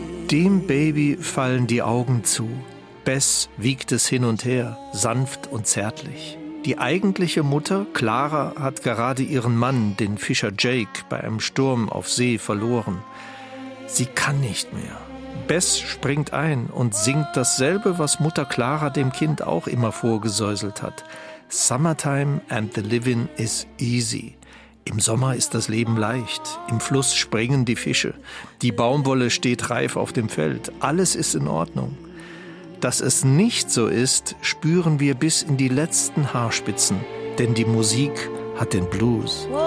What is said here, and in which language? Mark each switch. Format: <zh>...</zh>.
<de>Dem Baby fallen die Augen zu. Bess wiegt es hin und her, sanft und zärtlich. Die eigentliche Mutter, Clara, hat gerade ihren Mann, den Fischer Jake, bei einem Sturm auf See verloren. Sie kann nicht mehr. Bess springt ein und singt dasselbe, was Mutter Clara dem Kind auch immer vorgesäuselt hat.</de> <en>Summertime and the living is easy.</en> <de>Im Sommer ist das Leben leicht. Im Fluss springen die Fische. Die Baumwolle steht reif auf dem Feld. Alles ist in Ordnung. Dass es nicht so ist, spüren wir bis in die letzten Haarspitzen. Denn die Musik hat den Blues.</de>